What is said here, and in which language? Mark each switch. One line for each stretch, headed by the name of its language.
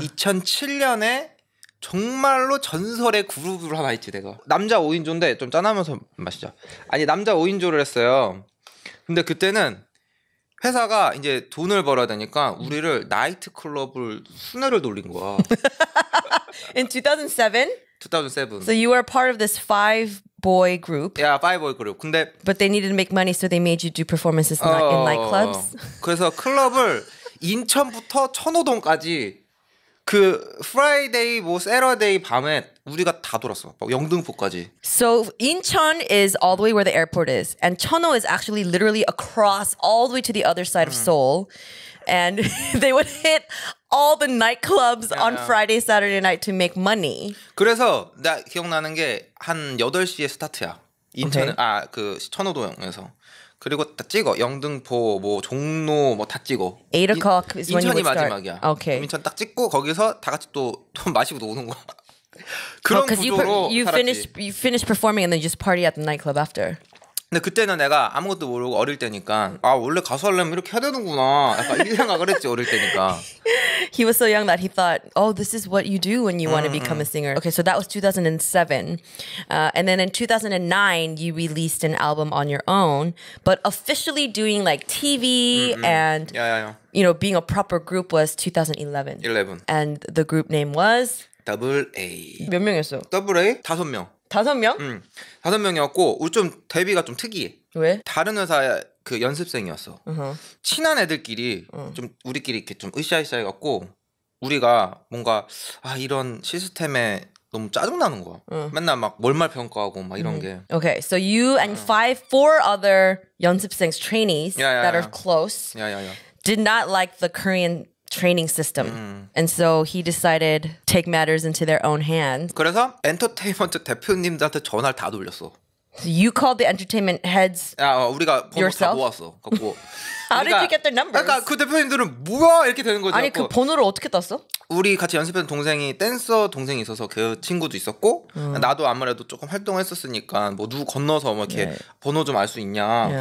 Korean: 2007년에 정말로 전설의 그룹으로 하나 있지 내가. 남자 5인조인데 좀 짠하면서 마시죠. 아니 남자 5인조를 했어요. 근데 그때는 회사가 이제 돈을 벌어야 되니까 우리를 나이트클럽을 순회를 돌린 거야.
English: In 2007? 2007. So you were part of this five boy group. Yeah, five boy group.
Korean: 근데
English: But they needed to make money so they made you do performances in nightclubs.
Korean: 그래서 클럽을 인천부터 천호동까지 그
English: 프라이데이 뭐 세러데이
Korean: 밤에 우리가 다 돌았어. 막 영등포까지.
English: So Incheon is all the way where the airport is and Cheonho is actually literally across all the way to the other side of Seoul. And they would hit all the nightclubs on Friday, Saturday night to make money.
Korean: 그래서 나 기억나는 게 한 8시에 스타트야. 인천 아 그 천호동에서 그리고 다 찍어. 영등포, 뭐 종로 뭐 다 찍어.
English: 8 o'clock is when you would start.
Korean: 인천이 마지막이야.
English: Okay.
Korean: 인천 딱 찍고 거기서 다 같이 또 좀 마시고 노는 거. 그런 구조로
English: you, you finish performing and then just party at the nightclub after.
Korean: 근데 그때는 내가 아무것도 모르고 어릴 때니까 아 원래 가수 하려면 이렇게 해야 되는구나. 약간 이 생각을 했지 어릴 때니까.
English: He was so young that he thought, oh, this is what you do when you want to become a singer. Okay, so that was 2007. And then in 2009, you released an album on your own, but officially doing like TV and, you know, being a proper group was 2011. 11. And the group name was? Double A.
Korean: 몇 명이었어? Double A? 다섯 명. 다섯 명? 응. 다섯 명이었고, 우리 좀 데뷔가 좀 특이해. 왜? 다른 회사에 그 연습생이었어. 친한 애들끼리 좀 우리끼리 이렇게 좀 으쌰으쌰 해갖고 우리가 뭔가 아 이런 시스템에 너무 짜증나는 거야. 맨날 막 월말 평가하고 막 이런 게.
English: Okay, so you and four other 연습생 trainees that are close did not like the Korean training system. And so he decided to take matters into their own hands.
Korean: 그래서 엔터테인먼트 대표님들한테 전화를 다 돌렸어.
English: So you called the entertainment heads yourself?
Korean: 번호 다 모았어. 갖고.
English: How did you get their numbers?
Korean: 그러니까 그 대표님들은 뭐야? 이렇게 되는 거지. 아니, 그 번호를 어떻게 땄어? 우리 같이 연습했던 동생이 댄서 동생이 있어서 그 친구도 있었고 나도 아무래도 조금 활동을 했었으니까 뭐 누구 건너서 뭐 이렇게 번호 좀 알 수 있냐.